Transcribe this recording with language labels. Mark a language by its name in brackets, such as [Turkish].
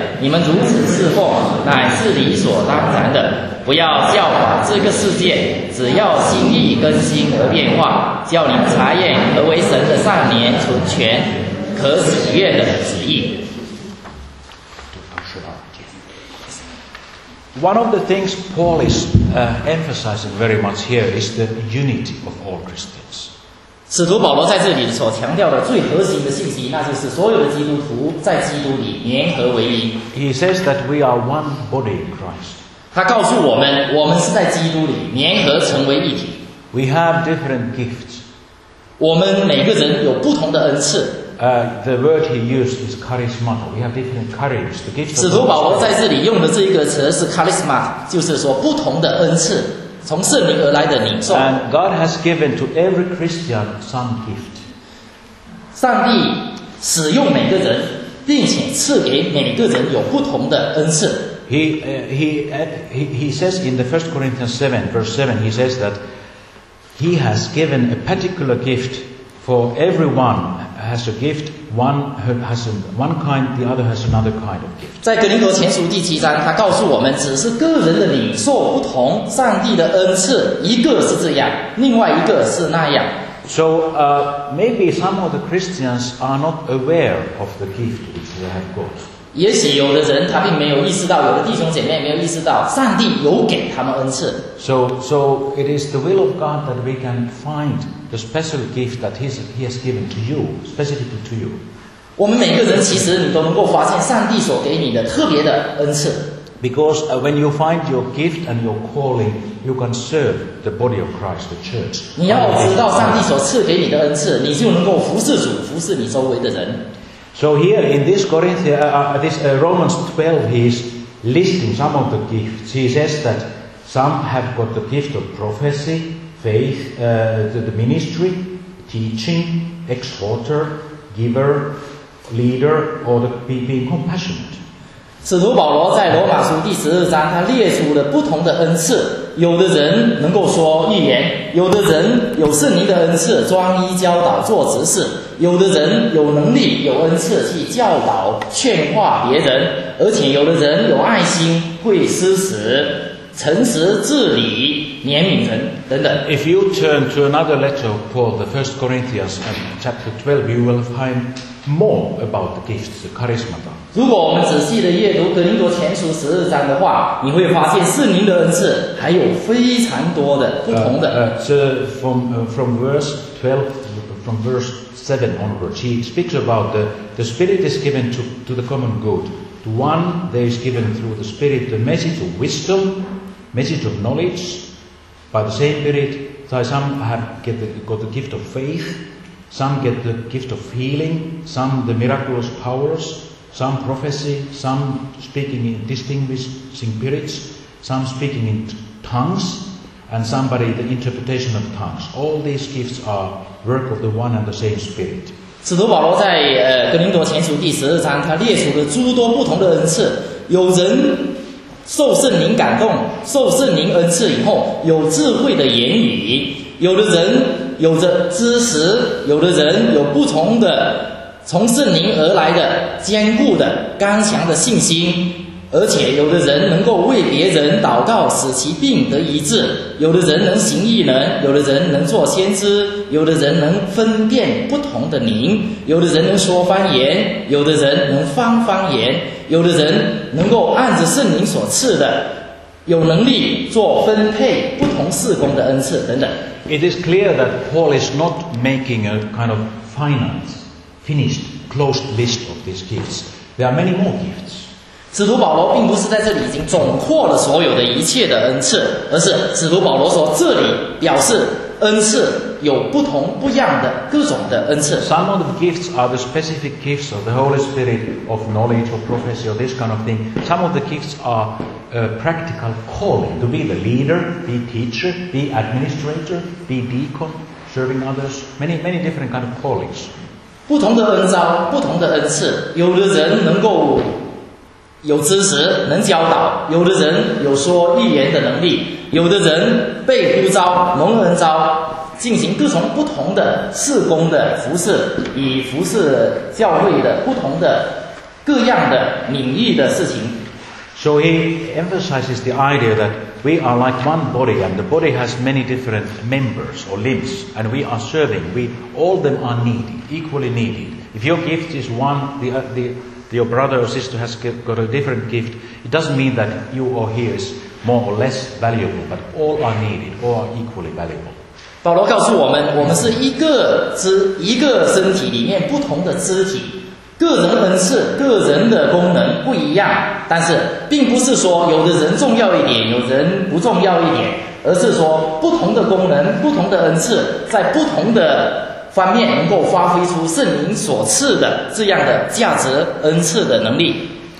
[Chinese] 你们如此侍奉，乃是理所当然的。不要效法这个世界，只要心意更新而变化，叫你们查验何为神的善年纯全可喜悦的旨意。 [English] One of the things Paul is emphasizing very much here is the unity of all Christians. [Chinese] 使徒保罗在这里所强调的最核心的信息，那就是所有的基督徒在基督里联合为一。 [English] He says that we are one body in Christ. [Chinese] 他告诉我们，我们是在基督里联合成为一体。 [English] We have different gifts. [Chinese] 我们每个人有不同的恩赐。 [English] The word he used is charismata. We have different charisms. The gift. [Chinese] 使徒保罗在这里用的这一个词是 charisma， 就是说不同的恩赐，从圣灵而来的领受。 [English] And God has given to every Christian some gift. [Chinese] 上帝使用每个人，并且赐给每个人有不同的恩赐。 [English] He says in the 1 Corinthians 7 verse 7, he says that he has given a particular gift for everyone. Has a gift, one has one kind, the other has another kind of gift. [Chinese] 在哥林多前书第七章，他告诉我们，只是个人的领受不同，上帝的恩赐一个是这样，另外一个是那样。 [English] So, maybe some of the Christians are not aware of the gift which they have got. [Chinese] 也许有的人他并没有意识到，有的弟兄姐妹没有意识到，上帝有给他们恩赐。 [English] So it is the will of God that we can find. The special gift that he has given to you, specifically to you. [Chinese] 我们每个人其实你都能够发现上帝所给你的特别的恩赐。 [English] Because when you find your gift and your calling, you can serve the body of Christ, the church. [Chinese] 你要知道上帝所赐给你的恩赐，你就能够服侍主，服侍你周围的人。 [English] So here in this Romans 12, he is listing some of the gifts. He says that some have got the gift of prophecy. Faith, the ministry, teaching, exhorter, giver, leader, or the being compassionate. [Chinese] 使徒保罗在罗马书第十二章，他列出了不同的恩赐。有的人能够说预言，有的人有圣灵的恩赐，专一教导做执事；有的人有能力有恩赐去教导劝化别人，而且有的人有爱心，会施舍。诚实治理怜悯人等等。 [English] If you turn to another letter of Paul, the 1 Corinthians chapter 12, you will find more about the gifts, the charismata. [Chinese] 如果我们仔细的阅读哥林多前书十二章的话，你会发现圣灵的恩赐还有非常多的不同的。 [English] From verse 12, from verse 7 onwards, he speaks about the Spirit is given to the common good. To one, there is given through the Spirit the message of wisdom, message of knowledge. By the same Spirit, some have got the gift of faith, some get the gift of healing, some the miraculous powers, some prophecy, some speaking in distinguishing spirits, some speaking in tongues, and somebody the interpretation of tongues. All these gifts are work of the one and the same Spirit. [Chinese] 使徒保罗在哥林多前书第十二章，他列出了诸多不同的恩赐。有人受圣灵感动，受圣灵恩赐以后有智慧的言语；有的人有着知识，有的人有不同的从圣灵而来的坚固的刚强的信心。而且有的人能够为别人祷告，使其病得医治；有的人能行异能，有的人能做先知；有的人能分辨不同的灵；有的人能说方言；有的人能翻方言；有的人能够按着圣灵所赐的，有能力做分配不同事工的恩赐等等。 [English] It is clear that Paul is not making a kind of final, finished, closed list of these gifts. There are many more gifts. [Chinese] 使徒保罗并不是在这里已经总括了所有的一切的恩赐，而是使徒保罗说这里表示恩赐有不同不样的各种的恩赐。 [English] Some of the gifts are the specific gifts of the Holy Spirit of knowledge or prophecy or this kind of thing. Some of the gifts are a practical calling to be the leader, be teacher, be administrator, be deacon, serving others. Many, many different kind of callings. [Chinese] 不同的恩召，不同的恩赐，有的人能够有知识能教导，有的人有说预言的能力，有的人被呼召蒙恩召进行各种不同的事工的服事，以服事教会的不同的各样的领域的事情。 [English] So he emphasizes the idea that we are like one body, and the body has many different members or limbs, and we are serving. We all them are needed, equally needed. If your gift is one, your brother or sister has got a different gift, it doesn't mean that you or he is more or less valuable, but all are needed, all are equally valuable. [Chinese] 保罗告诉我们，我们是一个身体里面不同的肢体。个人恩赐，个人的功能不一样，但是并不是说有的人重要一点，有人不重要一点，而是说不同的功能，不同的恩赐，在不同的方面能够发挥出圣灵所赐的这样的价值恩赐的能力。